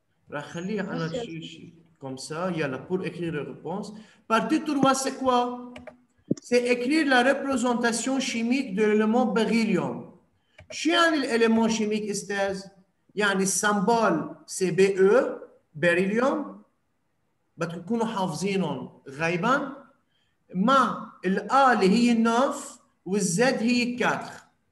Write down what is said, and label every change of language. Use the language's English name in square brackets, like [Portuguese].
[Arabic] راح خليها أنا شي شي كم سا يلا [French] pour écrire la réponse. Partie 3 c'est quoi? C'est écrire la représentation chimique de l'élément beryllium. [Arabic] شو يعني الإلمنت الكيميائي أستاذ؟ يعني السمبول c'est Be. بيريليوم بدكم تكونوا حافظينهم غيبا، مع الأ اللي هي 9 والزد هي 4.